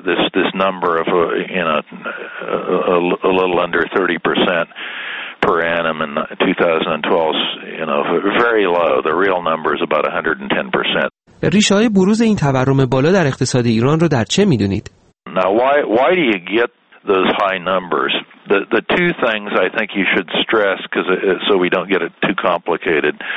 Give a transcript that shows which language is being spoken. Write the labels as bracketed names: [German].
[English] This number of a little under 30% per annum in 2012, very low. The real number is about 110%. [Persian] ریشه‌های بروز این تورم بالا در اقتصاد ایران رو در چه می‌دونید؟ [English] Now, why do you get those high numbers? The two things I think you should stress, so we don't get it too complicated.